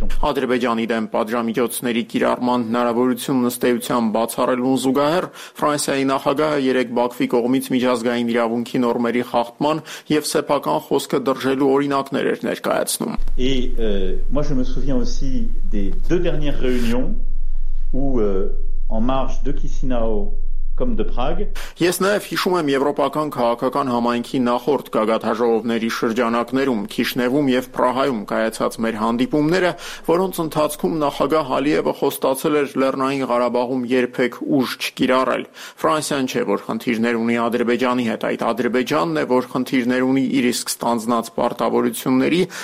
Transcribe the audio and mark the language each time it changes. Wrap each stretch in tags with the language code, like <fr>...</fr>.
<hy>Ադրբեջանի դեմ պատժամիջոցների կիրառման հնարավորությունն ըստեյության բացառելուն զուգահեռ Ֆրանսիայի նախագահը երեկ Բաքվի կողմից միջազգային իրավունքի նորմերի խախտման և սեփական խոսքը դրժելու օրինակներ էր ներկայացնում։</hy> <fr>Aussi des deux dernières réunions où en marge de Chisinau comme de Prague.</fr> <hy>Ես նաև հիշում եմ Եվրոպական քաղաքական համայնքի նախորդ գագաթաժողովների շրջանակներում, Քիշնևում եւ Պրահայում կայացած մեր հանդիպումները, որոնց ընթացքում նախագահ Ալիևը խոստացել էր Լեռնային Ղարաբաղում երբեք ուժ չկիրառել։ Ֆրանսիան չէ, որ խնդիրներ ունի Ադրբեջանի հետ, այդ Ադրբեջանն է, որ խնդիրներ ունի իր իսկ ստանձնած պարտավորությունների,</hy>